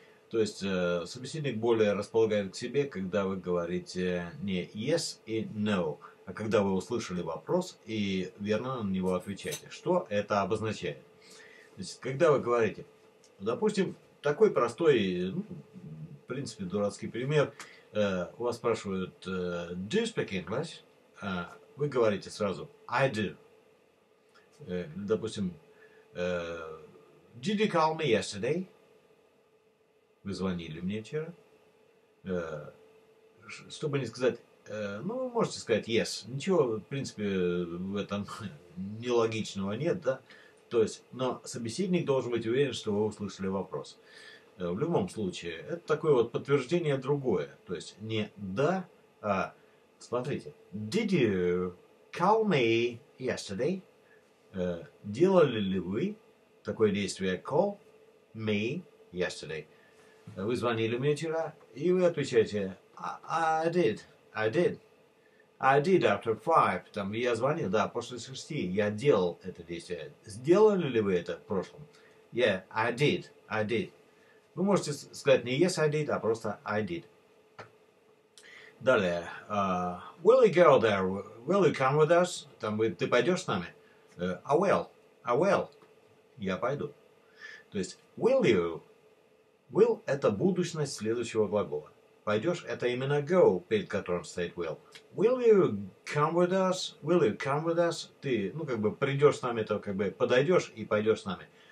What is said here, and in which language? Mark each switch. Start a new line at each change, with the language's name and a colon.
Russian: То есть собеседник более располагает к себе, когда вы говорите не yes и no, а когда вы услышали вопрос и верно на него отвечаете. Что это обозначает? То есть, когда вы говорите, допустим, такой простой, ну, в принципе, дурацкий пример, у вас спрашивают,
English: do you speak English?
Russian: Вы говорите сразу,
English: I do.
Russian: Допустим,
English: did you call me yesterday?
Russian: Вы звонили мне вчера. Чтобы не сказать, ну, вы можете сказать yes. Ничего, в принципе, в этом нелогичного нет, да? То есть, но собеседник должен быть уверен, что вы услышали вопрос. В любом случае, это такое вот подтверждение другое. То есть, не да, а смотрите.
English: Did you call me yesterday?
Russian: Делали ли вы такое действие
English: call me yesterday?
Russian: Вы звонили мне вчера, и вы отвечаете,
English: I did after five,
Russian: там, я звонил, да, после шести, я делал это действие. Сделали ли вы это в прошлом?
English: Yeah, I did.
Russian: Вы можете сказать не
English: yes, I did,
Russian: а просто
English: I did.
Russian: Далее,
English: will you go there, will you come with us,
Russian: там, ты пойдешь с нами?
English: I will,
Russian: я пойду. То есть,
English: will you?
Russian: Will – это будущность следующего глагола. Пойдешь – это именно go, перед которым стоит will.
English: Will you come with us? Will you come with us?
Russian: Ты, ну, как бы придешь с нами, то как бы подойдешь и пойдешь с нами.